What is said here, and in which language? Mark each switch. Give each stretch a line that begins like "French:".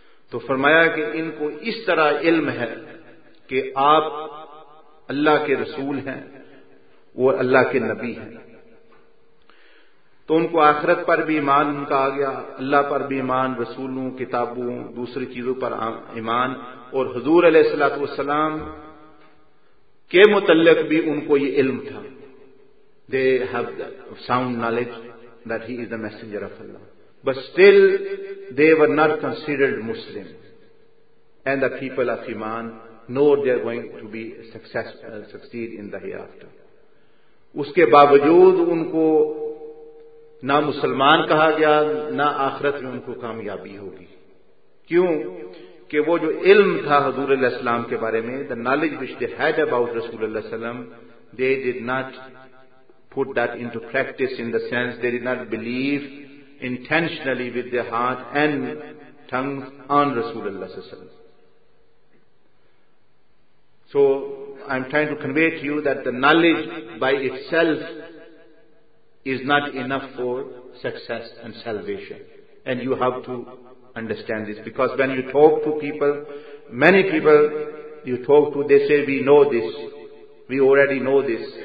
Urdu: تو فرمایا کہ ان کو اس طرح علم ہے کہ آپ اللہ کے رسول ہیں وہ اللہ کے نبی ہیں. تو ان کو آخرت پر بھی ایمان ان کا آ گیا, اللہ پر بھی ایمان, رسولوں کتابوں دوسری چیزوں پر ایمان, اور حضور علیہ الصلوۃ والسلام کے متعلق بھی ان کو یہ علم تھا.
English: They have sound knowledge that he is the messenger of Allah, but still they were not considered Muslim and the people of ایمان know they are going to be succeed in the hereafter.
Urdu: اس کے باوجود ان کو نہ مسلمان کہا گیا نہ آخرت میں ان کو کامیابی ہوگی. کیوں؟ کہ وہ جو علم تھا حضور علیہ السلام کے بارے میں,
English: The knowledge which they had about رسول اللہ وسلم, they did not put that in to practice, in the sense they did not believe intentionally with their heart and ٹنگ آن رسول اللہ صلی اللہ علیہ وسلم. سو I am trying to convey to you that the knowledge by it self is not enough for success and salvation, and you have to understand this, because when you talk to people, many people you talk to, they say we know this, we already know this,